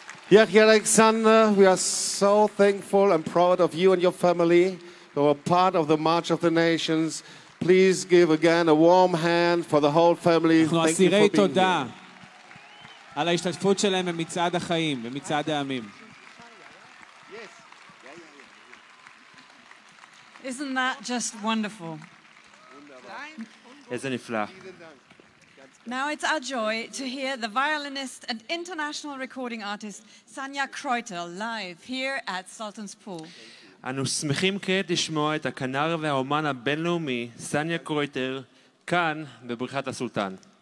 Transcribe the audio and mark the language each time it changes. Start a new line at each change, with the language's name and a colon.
English: Yechiel Alexander, we are so thankful and proud of you and your family who are part of the March of the Nations. Please give again a warm hand for the whole family. Thank you for being here.
Hebrew: על ההשתתפות שלהם במצעד החיים, במצעד העמים.
English: Isn't that just wonderful? Isn't it flat? Now it's our joy to hear the violinist and international recording artist Sanya Kreutel live here at Sultan's Pool.
Hebrew: אנו שמחים כעת לשמוע את הכנר והאומן הבינלאומי סניה קרויטר כאן בבריכת הסולטן.